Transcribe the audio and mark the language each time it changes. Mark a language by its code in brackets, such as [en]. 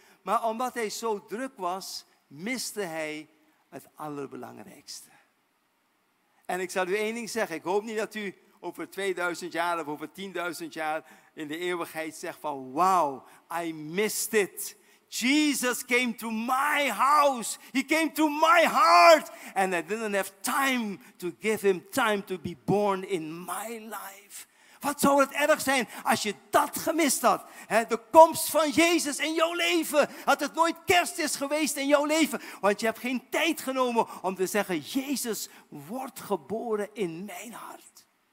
[nl] Maar omdat hij zo druk was, miste hij het allerbelangrijkste. En ik zal u één ding zeggen, ik hoop niet dat u over 2000 jaar of over 10.000 jaar in de eeuwigheid zegt van, [en] wow, I missed it. Jesus came to my house. He came to my heart. And I didn't have time to give him time to be born in my life. [nl] Wat zou het erg zijn als je dat gemist had. Hè? De komst van Jezus in jouw leven. Dat het nooit kerst is geweest in jouw leven. Want je hebt geen tijd genomen om te zeggen, Jezus wordt geboren in mijn hart.